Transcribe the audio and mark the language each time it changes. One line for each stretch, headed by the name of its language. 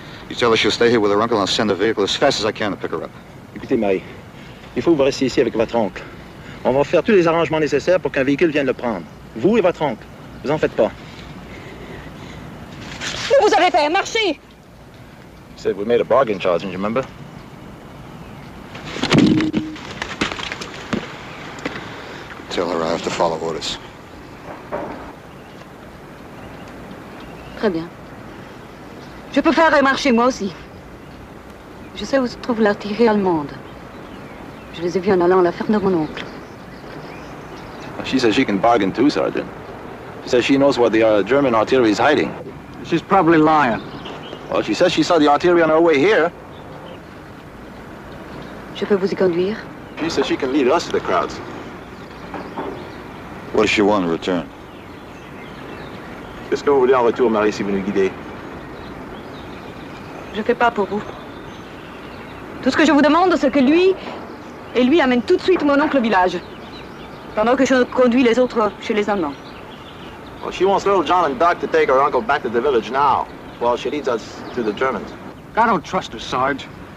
English: You tell her she'll stay here with her uncle and I'll send a vehicle as fast as I can to pick her up.
French: Écoutez, Marie, il faut que vous restiez ici avec votre oncle. On va faire tous les arrangements nécessaires pour qu'un véhicule vienne le prendre. Vous et votre oncle. Vous en faites pas. Mais vous avez fait marcher!
English: Said we made a bargain, Charles, didn't you remember? Tell her I have to follow orders.
French: Très bien. Je peux faire marcher moi aussi. Je sais où se trouve l'artillerie allemande. Je les ai vus en allant à la ferme de mon oncle.
English: Well, she says she can bargain too, Sergeant. She says she knows where the German artillery is hiding. She's probably lying. Well, she says she saw the artillery on her way here.
French: Je peux vous y conduire?
English: She says she can lead us to the crowds. What does she want in return?
French: Qu'est-ce que vous voulez en retour, Marie, si vous nous guidez? Je fais pas pour vous. Tout ce que je vous demande, c'est que lui et lui amènent tout de suite mon oncle au village. Pendant que je conduis les autres chez les Allemands.
English: Well, she wants little John and Doc to take her uncle back to the village now. Well, she leads us to the Germans. I don't trust her, Sarge.